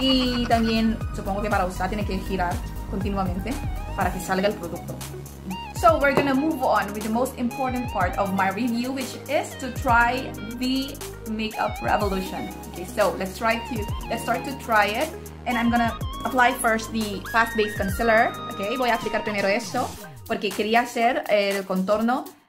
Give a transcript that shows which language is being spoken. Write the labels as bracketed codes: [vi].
[es] Y también supongo que para usar tiene que girar continuamente para que salga el producto. [en] So we're gonna move on with the most important part of my review, which is to try the Makeup Revolution. Okay, so let's start to try it, and I'm gonna apply first the fast base concealer. [es] Okay, voy a aplicar primero eso porque quería hacer el contorno.